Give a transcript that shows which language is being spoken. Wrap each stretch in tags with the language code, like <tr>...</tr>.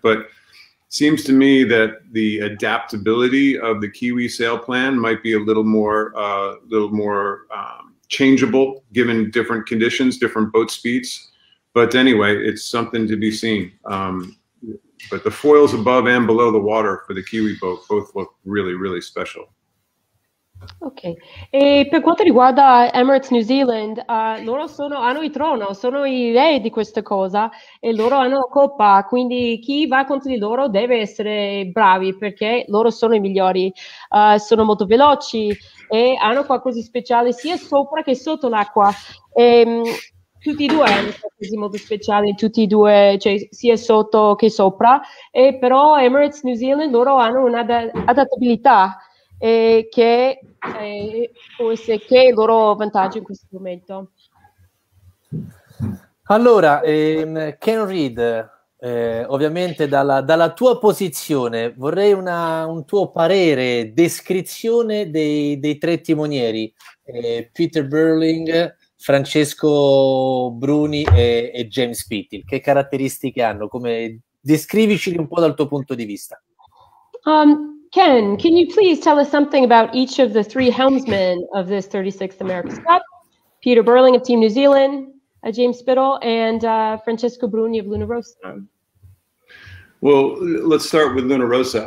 <en>But seems to me that the adaptability of the Kiwi sail plan might be a little more changeable given different conditions, different boat speeds. But anyway, it's something to be seen. But the foils above and below the water for the Kiwi boat both look really, really special. Ok.</en> <it>E per quanto riguarda Emirates New Zealand, loro hanno il trono, sono i re di questa cosa, e loro hanno la coppa, quindi chi va contro di loro deve essere bravi, perché loro sono i migliori, sono molto veloci e hanno qualcosa di speciale sia sopra che sotto l'acqua. Tutti e due hanno qualcosa di molto speciale, tutti e due, cioè sia sotto che sopra, e però Emirates New Zealand, loro hanno un'adattabilità che forse che è il loro vantaggio in questo momento. Allora, Ken Reed, ovviamente dalla tua posizione vorrei un tuo parere, descrizione dei tre timonieri, Peter Burling, Francesco Bruni e James Pittil. Che caratteristiche hanno? Come descrivici un po' dal tuo punto di vista?</it> <en>Ken, can you please tell us something about each of the three helmsmen of this 36th America's Cup? Peter Burling of Team New Zealand, James Spittle, and Francesco Bruni of Luna Rossa. Well, let's start with Luna Rossa.</en>